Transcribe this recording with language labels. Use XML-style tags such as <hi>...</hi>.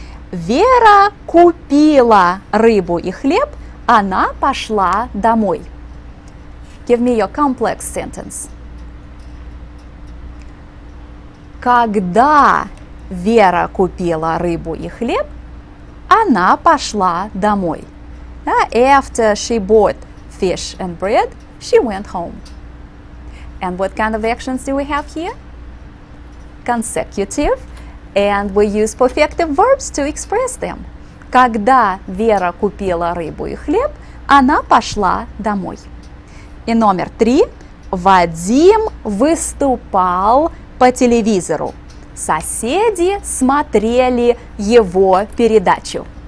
<ru>Вера купила рыбу и хлеб, она пошла домой.</ru> <en>Give me your complex sentence.</en> <ru>Когда Вера купила рыбу и хлеб, она пошла домой.</ru> <en>After she bought fish and bread, she went home. And what kind of actions do we have here? Consecutive. And we use perfective verbs to express them.</en> <ru>Когда Вера купила рыбу и хлеб, она пошла домой. И номер три. Вадим выступал по телевизору. Соседи смотрели его передачу.</ru>